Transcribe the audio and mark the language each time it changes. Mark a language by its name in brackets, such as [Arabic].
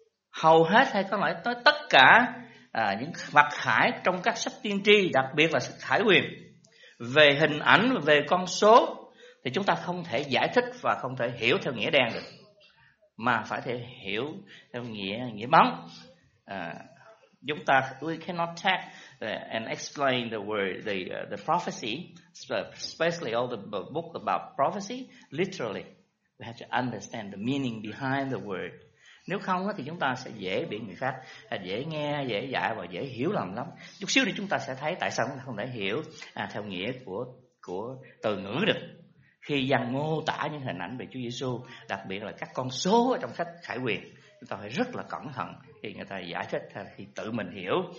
[Vietnamese] hầu hết hay có lẽ tới tất cả những mặt khải trong các sách tiên tri, đặc biệt là sách Khải Huyền, về hình ảnh, về con số thì chúng ta không thể giải thích và không thể hiểu theo nghĩa đen được, mà phải thể hiểu theo nghĩa bóng. Chúng ta [English] we cannot take and explain the word the prophecy, especially all the book about prophecy literally. We have to understand the meaning behind the word. [Vietnamese] Nếu không thì chúng ta sẽ dễ bị người khác dễ nghe, dễ dạy và dễ hiểu lầm lắm. Chút xíu thì chúng ta sẽ thấy tại sao chúng ta không thể hiểu theo nghĩa của từ ngữ được. Khi dân mô tả những hình ảnh về Chúa Giêsu, đặc biệt là các con số ở trong sách Khải Huyền, chúng ta phải rất là cẩn thận khi người ta giải thích thì tự mình hiểu.